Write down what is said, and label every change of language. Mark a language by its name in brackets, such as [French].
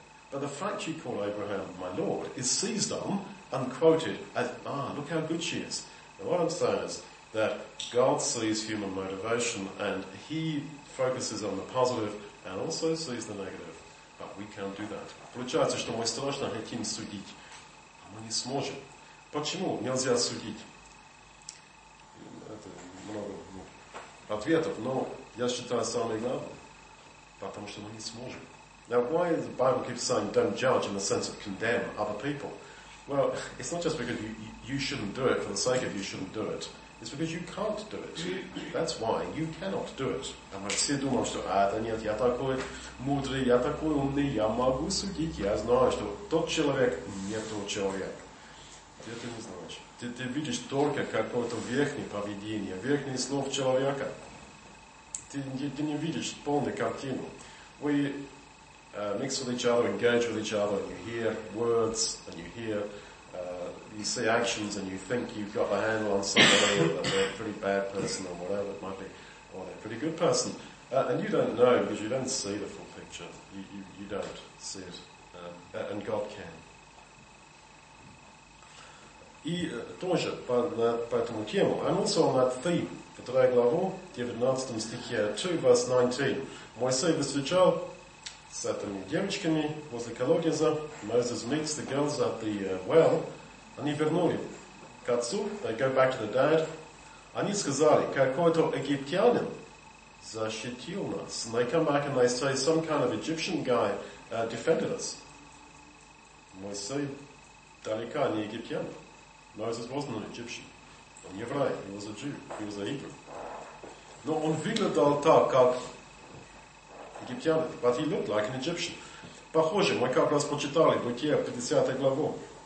[English] But the fact she called Abraham my Lord is seized on and quoted as, look how good she is. Now what I'm saying is that God sees human motivation and he focuses on the positive and also sees the negative. But we can't do that. [Russian] Получается, что мы страшно хотим судить, а мы не сможем. Почему нельзя судить? Это много ответов, но я считаю самое главное. Потому что мы не сможем. [English] Now, why is the Bible keep saying don't judge in the sense of condemn other people? Well, it's not just because you shouldn't do it for the sake of you shouldn't do it. It's because you can't do it. That's why you cannot do it. [Russian] Ты видишь только какое-то верхнее поведение, верхние слов человека. Ты не видишь полную картину. [English] We mix with each other, engage with each other, and you hear words, and you hear, you see actions, and you think you've got the handle on somebody, that they're a pretty bad person, or whatever it might be, or they're a pretty good person. And you don't know, because you don't see the full picture. You don't see it. And God can. [Russian] И тоже по этому тему. [English] And also on that theme, [Russian] по 2 главу, 19 стихе, 2 [English] verse [Russian] 19. Моисей встречал с этими девочками возле колодца. [English] Moses meets the girls at the well. [Russian] Они вернули к отцу. [English] They go back to the dad. [Russian] Они сказали, какой-то египтянин защитил нас. [English] And they come back and they say, some kind of Egyptian guy defended us. [Russian] Моисей далеко не египтянин. [English] Moses wasn't an Egyptian, an Hebrew. He was a Jew. He was a Hebrew. [Russian] Но он выглядел так, как египтянин. [English] But he looked like an Egyptian. [Russian] Похоже, мы как раз прочитали Бытие 50 главу.